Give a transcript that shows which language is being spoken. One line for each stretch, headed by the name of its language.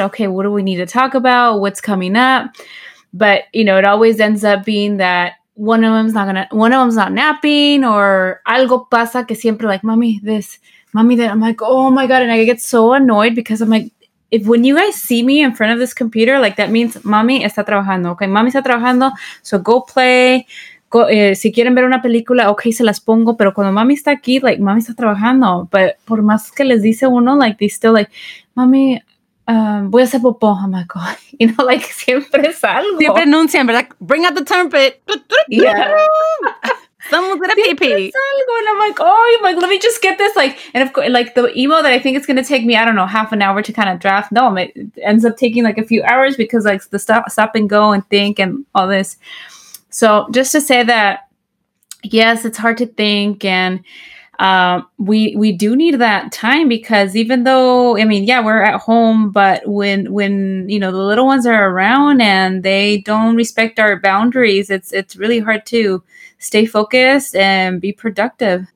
English: Okay, what do we need to talk about? What's coming up? But, you know, it always ends up being that one of them's not napping or
Spanish: algo pasa que siempre
English: like, mommy, this, mommy, that. I'm like, oh my God. And I get so annoyed because I'm like, when you guys see me in front of this computer, like that means mommy
Spanish: está trabajando.
English: Okay. Mommy
Spanish: está trabajando.
English: So go play.
Spanish: Go, si quieren ver una película, okay, se las pongo. Pero cuando mommy está aquí, like mommy está trabajando. But por más que les dice uno,
English: like they still like, mommy,
Spanish: voy a hacer popó, amigo.
English: You know, like,
Spanish: siempre es algo. Siempre anuncian, ¿verdad?
English: Bring out the trumpet. Someone's gonna pee pee. It's algo, and I'm like, oh, I'm like, let me just get this. Like, and of course, like the email that I think it's gonna take me, I don't know, half an hour to kind of draft. No, it ends up taking like a few hours because like the stop and go and think and all this. So just to say that, yes, it's hard to think, and we do need that time, because even though, I mean, yeah, we're at home, but when you know, the little ones are around and they don't respect our boundaries, it's really hard to stay focused and be productive.